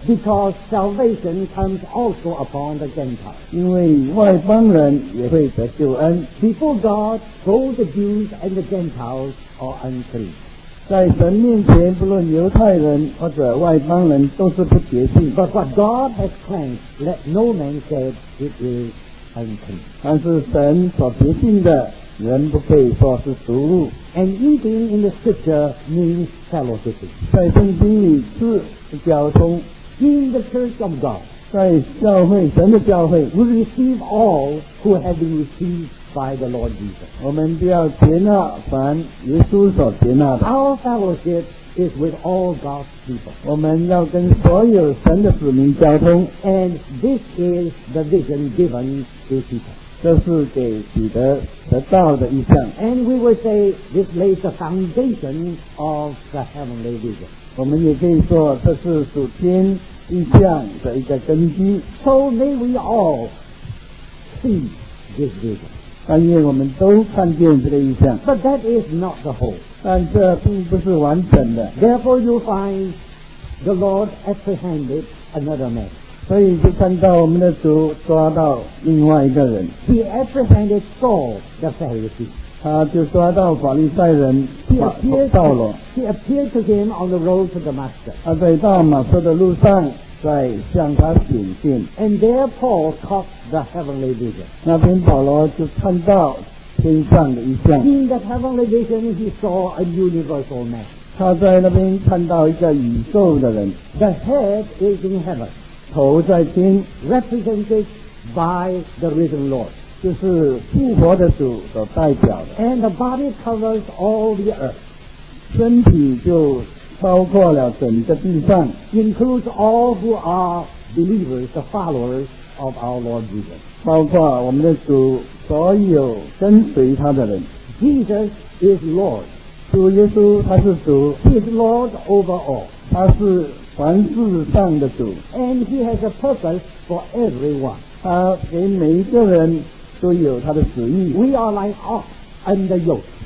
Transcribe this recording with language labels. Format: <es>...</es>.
<en>Because salvation comes also upon the Gentiles.</en> <zh>因为外邦人也会得救恩。</zh> <en>Before God, both the Jews and the Gentiles are unclean.</en> <zh>在神面前，不论犹太人或者外邦人，都是不洁净。</zh> <en>But what God has cleansed, let no man say it is unclean.</en> <zh>但是神所洁净的，人不可以说是俗物。</zh> <en>And eating in the scripture means fellowshipping.</en> <zh>在圣经里是交通。</zh> <en>In the church of God,</en> <zh>在教会，神的教会</zh> <en>，we receive all who have been received. By the Lord Jesus.</en> <zh>我们就要接纳凡耶稣所接纳的。</zh> <en>Our fellowship is with all God's people.</en> <zh>我们要跟所有神的子民交通。</zh> <en>And this is the vision given to Peter.</en> <zh>这是给彼得得到的意象。</zh> <en>And we will say this lays the foundation of the heavenly vision.</en> <zh>我们也可以说这是属天意象的一个根基。</zh> <en>So may we all see this vision.</en> <zh>但愿我们都看见这个意象。</zh> <en>But that is not the whole.</en> <zh>但这并不是完整的。</zh> <en>Therefore you find the Lord apprehended another man.</en> <zh>所以就看到我们的主抓到另外一个人。</zh> <en>He apprehended Saul, the Pharisee.</en> <zh>他就抓到法利赛人扫罗。</zh> <en>He appeared to him on the road to Damascus.</en> <zh>他在大马色的路上在向他显现。</zh> <en>And there Paul caught the heavenly vision.</en> <zh>那边保罗就看到天上的一象。</zh> <en>In that heavenly vision, he saw a universal man.</en> <zh>他在那边看到一个宇宙的人。</zh> <en>The head is in heaven.</en> <zh>头在天。</zh> <en>Represented by the risen Lord.</en> <zh>就是复活的主所代表的。</zh> <en>And the body covers all the earth.</en> <zh>身体就包括了整个地上</zh> <en>includes all who are believers, the followers of our Lord Jesus.</en> <zh>包括我们的主所有跟随他的人</zh> <en>Jesus is Lord.</en> <zh>主耶稣他是主</zh> <en>He is Lord over all.</en> <zh>他是凡事上的主</zh> <en>And he has a purpose for everyone.</en> <zh>他给每一个人都有他的旨意</zh> <en>We are like ox under yoke.</en>